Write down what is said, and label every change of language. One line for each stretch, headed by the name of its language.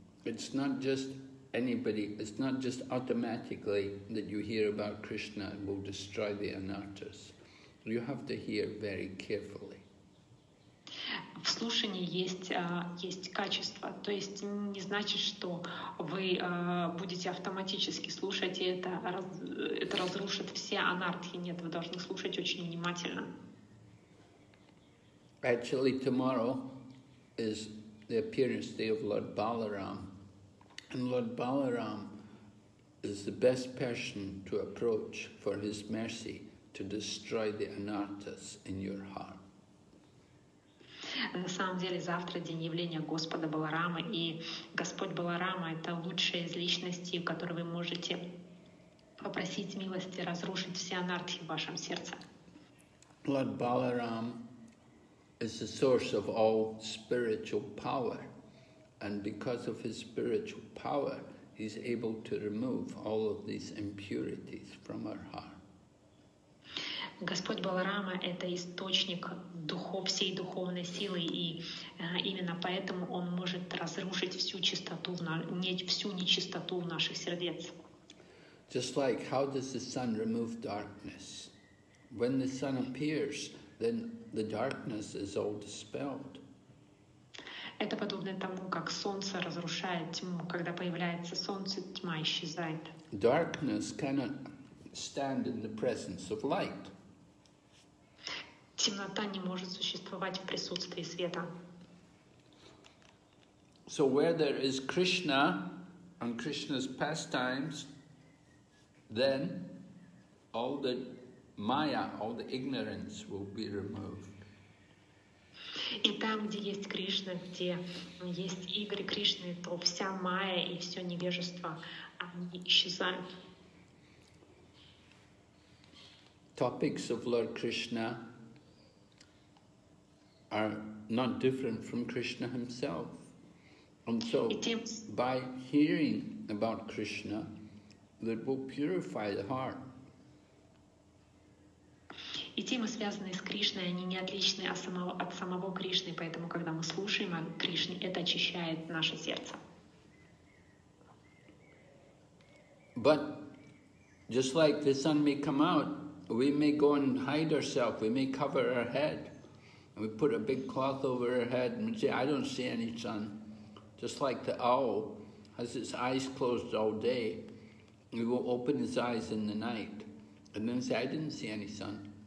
English: It's not just anybody, it's not just automatically that you hear about Krishna and will destroy the anarthas. You have to hear very carefully.
Russian: В слушании есть качество, то есть не значит, что вы будете автоматически слушать, и это разрушит все анартхи. Нет, вы должны слушать очень внимательно.
English: Actually, tomorrow is the appearance day of Lord Balaram. And Lord Balaram is the best person to approach for his mercy to destroy the anarthas in your heart.
Russian: На самом деле, завтра день явления Господа Баларама, и Господь Баларама — это лучшая из личностей, в которой вы можете попросить милости разрушить все анартхи в вашем сердце.
English: Lord Balaram is the source of all spiritual power, and because of his spiritual power, he's able to remove all of these impurities from our heart.
Russian: Господь Баларама — это источник всей духовной силы, и именно поэтому он может разрушить всю нечистоту в наших сердец.
English: Just like, how does the sun remove darkness? When the sun appears, then the darkness is all dispelled.
Russian: Это подобно тому, как солнце разрушает тьму. Когда появляется солнце, тьма исчезает.
English: Darkness cannot stand in the presence of light.
Russian: Темнота не может существовать в присутствии света.
English: So where there is Krishna and Krishna's pastimes, then all the Maya, all the ignorance will be removed.
Russian: И там, где есть Кришна, где есть игры Кришны, то вся майя и все невежество, они исчезают.
English: Topics of Lord Krishna are not different from Krishna himself. And so, by hearing about Krishna, that will purify the heart.
Russian: И темы, связанные с Кришной, они не отличны от самого Кришны, поэтому, когда мы слушаем о Кришне, это очищает наше сердце.
English: But just like the sun may come out, we may go and hide ourselves, we may cover our head, and we put a big cloth over our head and say, I don't see any sun. Just like the owl has its eyes closed all day, he will open his eyes in the night and then say, I didn't see any sun.